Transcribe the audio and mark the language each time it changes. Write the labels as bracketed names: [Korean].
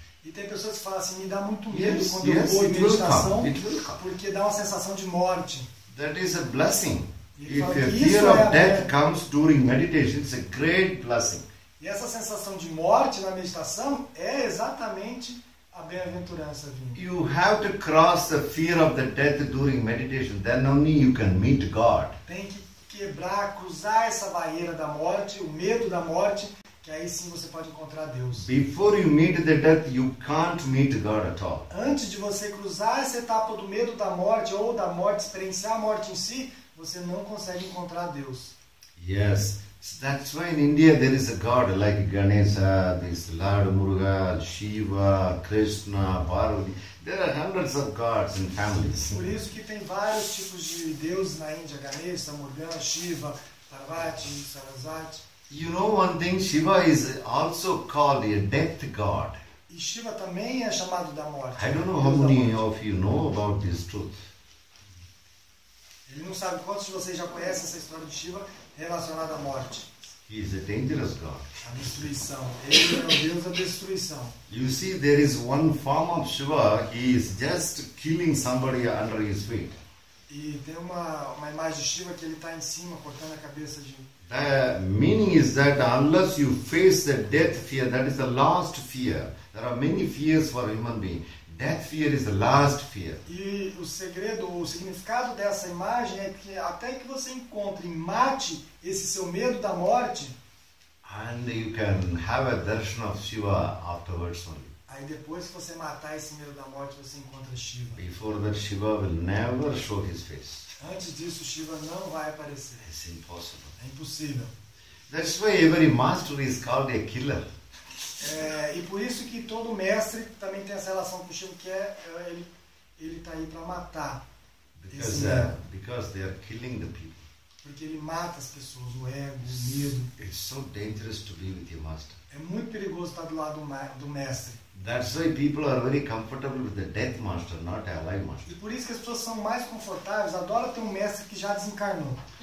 [Portuguese] E tem pessoas que falam assim, me dá muito medo quando eu vou em meditação, porque dá uma sensação de morte. [English] That is a blessing. If a fear of death comes during meditation, it's a great blessing. [Portuguese] E essa sensação de morte na meditação é exatamente a bem-aventurança vinda. [English] You have to cross the fear of the death during meditation, then only you can meet God. [Portuguese] Tem que quebrar, cruzar essa barreira da morte, o medo da morte, que aí sim você pode encontrar Deus. [English] Before you meet the death, you can't meet God at all. [Portuguese] Antes de você cruzar essa etapa do medo da morte ou da morte, experienciar a morte em si, você não consegue encontrar Deus. [English] Yes, that's why in India there is a God like Ganesha, this Lord Murga, Shiva, Krishna, Parvati. There are hundreds of gods in families. [Portuguese] Por isso que tem vários tipos de deuses na Índia: Ganesha, Murga, Shiva, Parvati, Sarasvati. [English] You know one thing, Shiva is also called a death god. [Portuguese] E Shiva também é chamado da morte. [English] I don't know how many of you know about this truth. [Portuguese] Ele não sabe quantos de vocês já conhecem essa história de Shiva relacionada à morte. [English] He is a dangerous god. [Portuguese] A destruição. Ele é o deus da destruição. [English] You see, there is one form of Shiva. He is just killing somebody under his feet. [Portuguese] E tem uma imagem de Shiva que ele está em cima cortando a cabeça de. [English] The meaning is that unless you face the death fear, that is the last fear. There are many fears for a human being. Death fear is the last fear. [Portuguese] E o segredo, o significado dessa imagem é que até que você encontre e mate esse seu medo da morte, [English] and you can have a darshan of Shiva afterwards only. [Portuguese] Aí depois que você matar esse medo da morte, você encontra Shiva. [English] Before that, Shiva will never show his face. [Portuguese] Antes disso, Shiva não vai aparecer. [English] It's impossible. [Portuguese] É impossível. [English] That's why every master is called a killer. [Portuguese] É, e por isso que todo mestre também tem essa relação com Shiva, que é ele está aí para matar. [English] Because they are killing the people. [Portuguese] Porque ele mata as pessoas, o ego, o medo. [English] It's so dangerous to be with your master. [Portuguese] É muito perigoso estar do lado do mestre. [English] That's why people are very comfortable with the death master, not a alive master. [Portuguese] E por isso que as pessoas são mais confortáveis, adoram ter um mestre que já desencarnou.